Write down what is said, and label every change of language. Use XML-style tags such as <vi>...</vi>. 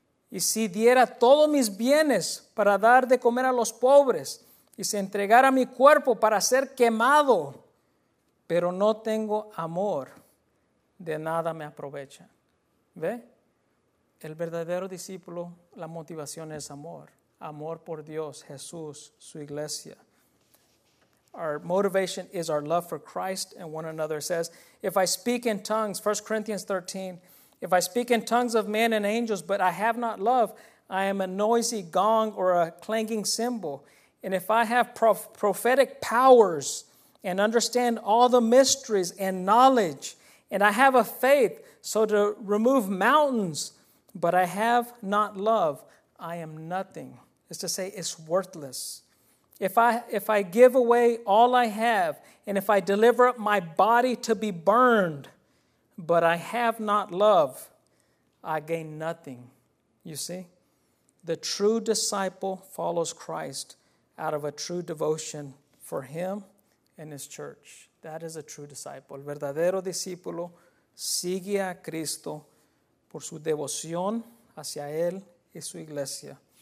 <es>Y si diera todos mis bienes para dar de comer a los pobres y se entregara mi cuerpo para ser quemado, pero no tengo amor, de nada me aprovecha. ¿Ve? El verdadero discípulo, la motivación es amor. Amor por Dios, Jesús, su iglesia.</es> <en>Our motivation is our love for Christ and one another. It says, if I speak in tongues, 1 Corinthians 13, if I speak in tongues of men and angels, but I have not love, I am a noisy gong or a clanging cymbal. And if I have prophetic powers and understand all the mysteries and knowledge, and I have a faith so to remove mountains, but I have not love, I am nothing. It's to say it's worthless. If I give away all I have, and if I deliver up my body to be burned, but I have not love, I gain nothing. You see, the true disciple follows Christ out of a true devotion for him and his church. That is a true disciple.</en> <es>El verdadero discípulo sigue a Cristo por su devoción hacia él y su iglesia.</es>